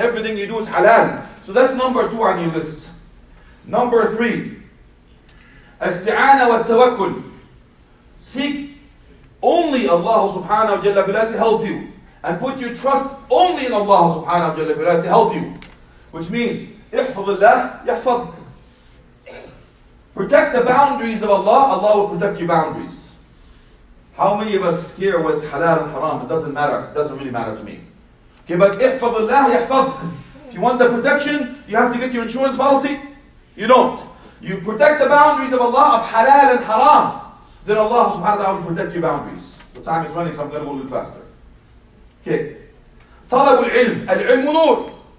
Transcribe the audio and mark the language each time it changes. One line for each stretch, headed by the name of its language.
English: Everything you do is halal. So that's number two on your list. Number three.
Arabic: Asti'ana wa tawakkul.
English: Seek only Allah subhanahu wa ta'ala to help you. And put your trust only in Allah subhanahu wa ta'ala to help you. Which means,
Arabic: احفظ الله يحفظك.
English: Protect the boundaries of Allah, Allah will protect your boundaries. How many of us care what's halal and haram? It doesn't matter. It doesn't really matter to me. Okay, but
Arabic: احفظ الله يحفظك.
English: If you want the protection, you have to get your insurance policy. You don't. You protect the boundaries of Allah, of halal and haram. Then Allah subhanahu wa ta'ala will protect your boundaries. The time is running, so I'm going to go a little faster.
Arabic: Okay. طلب العلم. العلم نور.